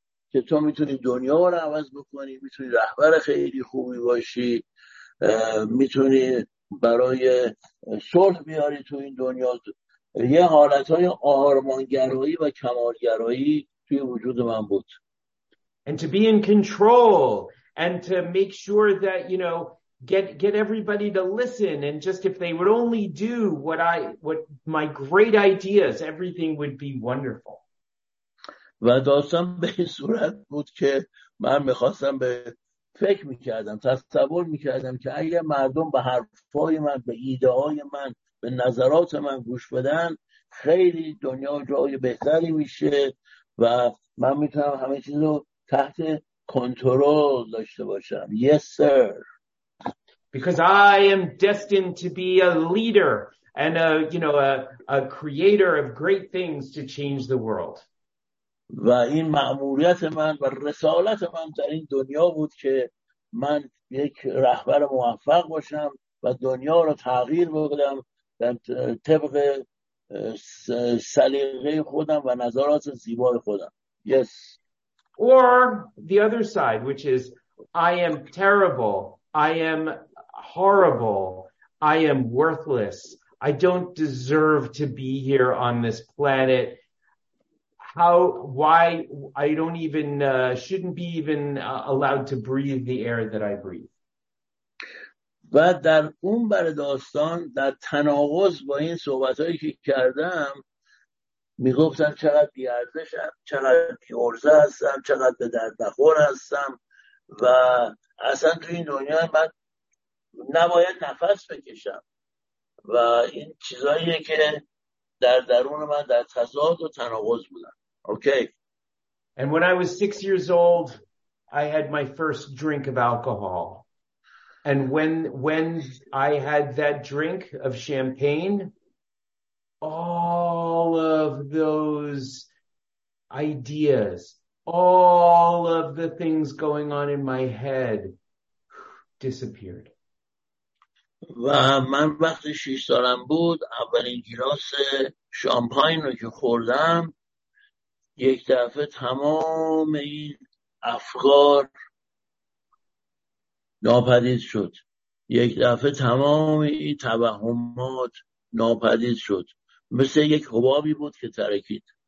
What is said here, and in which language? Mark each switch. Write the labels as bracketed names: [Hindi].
[Persian] که تو میتونی دنیا رو عوض بکنی، میتونی رهبر خیلی خوبی باشی، میتونی برای صلح بیاری تو این دنیا. یه حالتهای آرمانگرایی و کمالگرایی توی وجود من بود. [English] And to be in control and to make sure that, you know, get everybody to listen and just if they would only do what my great ideas, everything would be wonderful. [Persian] و داستان به این صورت بود که من میخواستم به فکر میکردم، تصور میکردم که اگر مردم به حرفای من، به ایده های من، به نظرات من گوش بدن، خیلی دنیا جای بهتری میشه و من میتونم همه چیز رو تحت کنترل داشته باشم. [English] Yes, sir. Because I am destined to be a leader and a, you know, a creator of great things to change the world. [Persian] و این مأموریت من و رسالت من در این دنیا بود که من یک رهبر موفق باشم و دنیا را تغییر بدم طبق سلیقه خودم و نظرات زیبای خودم. [English] Yes. Or the other side, which is I am terrible, I am horrible, I am worthless, I don't deserve to be here on this planet. How, why, I don't even, shouldn't be even allowed to breathe the air that I breathe. [Persian] و در اون بر داستان در تناقض با این صحبتایی که کردم میگفتم چقدر بی‌ارزشم، چقدر بی‌ارزه هستم، چقدر به درد نخور هستم و اصلا تو این دنیا من نباید نفس بکشم و این چیزاییه که در درون من در تضاد و تناقض بودن. [English] Okay. And when I was 6 years old, I had my first drink of alcohol. And when I had that drink of champagne, all of those ideas, all of the things going on in my head disappeared. [Persian] و من وقتی 6 سالم بود اولین گلاس شامپاین رو که خوردم یک دفعه تمام این افکار ناپدید شد، یک دفعه تمام این توهمات ناپدید شد، مثل یک حبابی بود که ترکید.